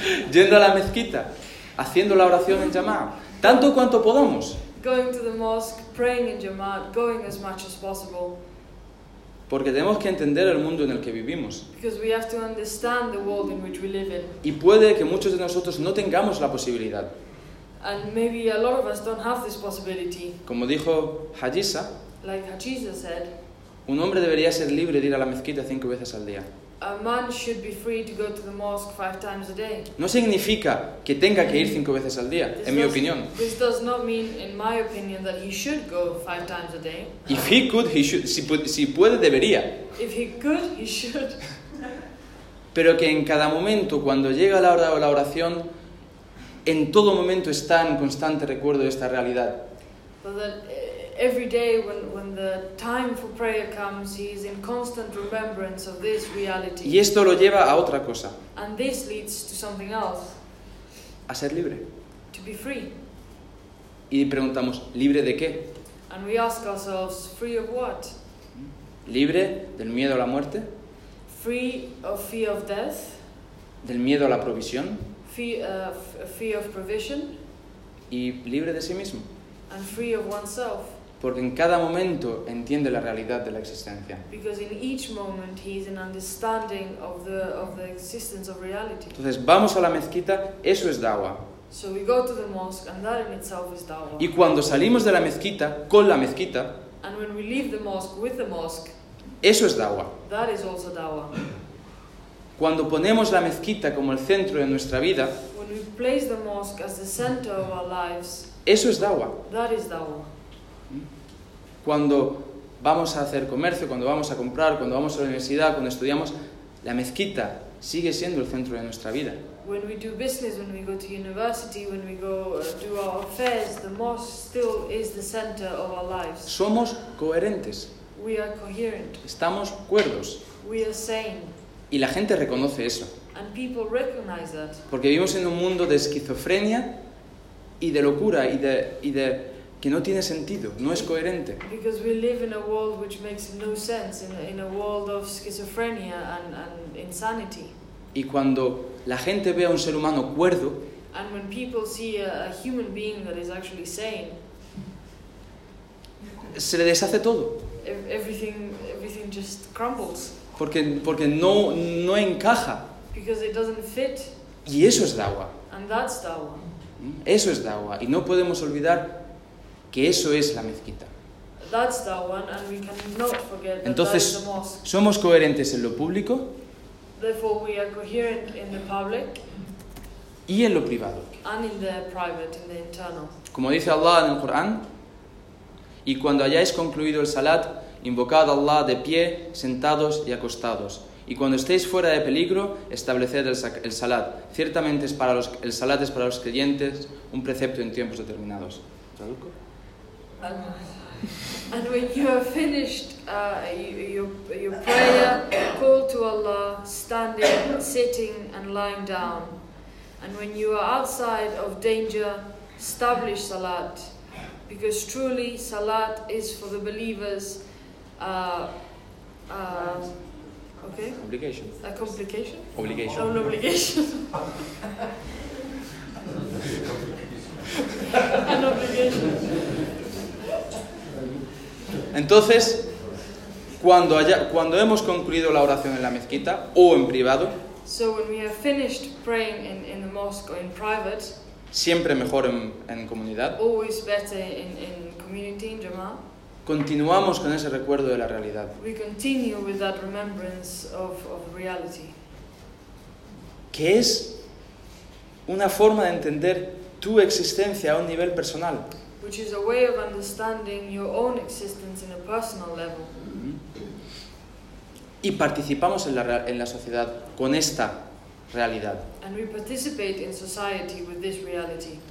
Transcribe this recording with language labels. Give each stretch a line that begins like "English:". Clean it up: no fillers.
Spanish: Yendo a la mezquita, haciendo la oración en jamaa, tanto cuanto podamos.
English: Going to the mosque, praying in jamaa, going as much as possible.
Spanish: Porque tenemos que entender el mundo en el que vivimos.
English: Because we have to understand the world in which we live in.
Spanish: Y puede que muchos de nosotros no tengamos la posibilidad.
English: And maybe a lot of us don't have this possibility.
Spanish: Como dijo Hajisa,
English: like Hajisa said,
Spanish: un hombre debería ser libre de ir a la mezquita 5 veces al día.
English: A man should be free to go to the mosque 5 times a day.
Spanish: No significa que tenga que ir 5 veces al día, en mi opinión.
English: This does not mean, in my opinion, that he should go 5 times a day. If he could, he should.
Spanish: Si puede, debería.
English: If he could, he should.
Spanish: Pero que en cada momento, cuando llega la hora de la oración, en todo momento está en constante recuerdo de esta realidad.
English: But that every day when the time for prayer comes, he is in constant remembrance of this reality.
Spanish: Y esto lo lleva a otra cosa.
English: And this leads to something else.
Spanish: A ser libre.
English: To be free.
Spanish: Y preguntamos, ¿libre de qué?
English: And we ask ourselves, free of what?
Spanish: Libre del miedo a la muerte.
English: Free of fear of death.
Spanish: Del miedo a la provisión.
English: Fear of provision.
Spanish: Y libre de sí mismo.
English: And free of oneself.
Spanish: Porque en cada momento entiende la realidad de la existencia.
English: Because in each moment he is an understanding of the existence of reality.
Spanish: Entonces vamos a la mezquita, eso es dawa.
English: So we go to the mosque and that in itself is dawa.
Spanish: Y cuando salimos de la mezquita con la mezquita,
English: and when we leave the mosque with the mosque,
Spanish: eso es dawa.
English: That is also dawa.
Spanish: Cuando ponemos la mezquita como el centro de nuestra vida,
English: when we place the mosque as the center of our lives,
Spanish: eso es dawa.
English: That is dawa.
Spanish: Cuando vamos a hacer comercio, cuando vamos a comprar, cuando vamos a la universidad, cuando estudiamos, la mezquita sigue siendo el centro de nuestra vida.
English: When we do business, when we go to university, when we go do our affairs, the mosque still is the center of our lives.
Spanish: Somos coherentes.
English: We are coherent.
Spanish: Estamos cuerdos.
English: We are sane.
Spanish: Y la gente reconoce eso.
English: And people recognize that.
Spanish: Porque vivimos en un mundo de esquizofrenia y de locura y de que no tiene sentido, no es coherente.
English: Because we live in a world which makes no sense, in a world of schizophrenia and insanity.
Spanish: Y cuando la gente ve a un ser humano cuerdo,
English: and when people see a human being that is actually sane,
Spanish: se le deshace todo.
English: Everything just crumbles.
Spanish: Porque no encaja.
English: Because it doesn't fit.
Spanish: Y eso es dawa.
English: And that's dawa.
Spanish: Eso es dawa. Y no podemos olvidar que eso es la mezquita.
English: That's dawa, and we cannot forget that.
Spanish: Entonces,
English: that is the mosque.
Spanish: Somos coherentes en lo público.
English: Therefore, we are coherent in the public.
Spanish: Y en lo privado.
English: And in the private, in the internal.
Spanish: Como dice Allah en el Corán, y cuando hayáis concluido el salat, invocad a Allah de pie, sentados y acostados. Y cuando estéis fuera de peligro, estableced el salat. Ciertamente el salat es para los creyentes, un precepto en tiempos determinados. ¿Traduco?
English: And when you have finished your prayer, call to Allah, standing, sitting and lying down. And when you are outside of danger, establish salat. Because truly, salat is for the believers. Okay. An obligation.
Spanish: Entonces, cuando hemos concluido la oración en la mezquita o en privado.
English: So when we have finished praying in the mosque or in private.
Spanish: Siempre mejor en comunidad.
English: Always better in community, in jama'ah.
Spanish: Continuamos con ese recuerdo de la realidad.
English: We continue with that remembrance of reality.
Spanish: Que es una forma de entender tu existencia a un nivel personal.
English: Which is a way of understanding your own existence in a personal level.
Spanish: Y participamos en la sociedad con esta realidad.
English: And we participate in society with this reality.